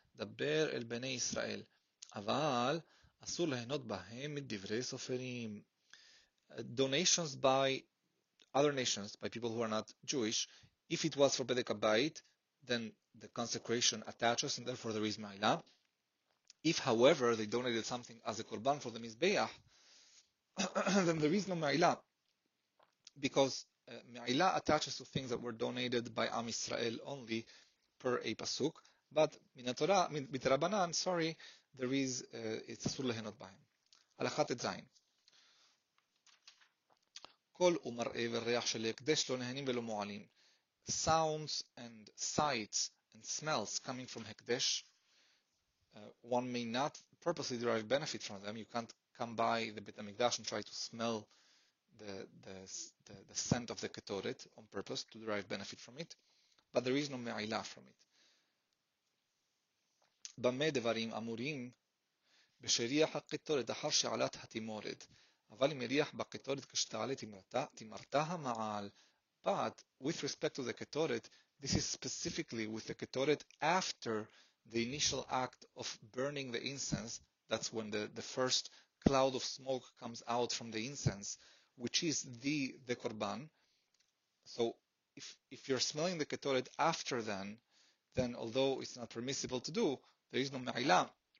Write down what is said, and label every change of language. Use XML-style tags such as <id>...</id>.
<he>דבר אל בני ישראל, אבל אסור להנות בהם מדברי סופרים.</he> <en>Donations by other nations, by people who are not Jewish, if it was for Bedek HaBayit, then the consecration attaches, and therefore there is Ma'ilah. If, however, they donated something as a korban for the Mizbeach, then there is no Ma'ilah, because Ma'ilah attaches to things that were donated by Am Israel only, per a pasuk. But min haTorah, min haRabbanan, sorry, there is it's asur lehenot b'hem. Halachat et zayin.</en> <he>Kol umar'e v'reach shel hekdesh lo nehenim ve'lo mo'alim.</he> <en>Sounds and sights and smells coming from hekdesh, one may not purposely derive benefit from them. You can't come by the Beit HaMikdash and try to smell the scent of the ketoret on purpose to derive benefit from it, but there is no me'ila from it.</en> <he>במה דברים אמורים? בשריח הקטורת אחר שעלת התימורת. אבל אם הריח בקטורת כשתעלה תימרתה המעל.</he> <en>But with respect to the קטורת, this is specifically with the קטורת after the initial act of burning the incense. That's when the first cloud of smoke comes out from the incense, which is the קורבן. So if you're smelling the קטורת after then although it's not permissible to do, there is no me'ila.</en>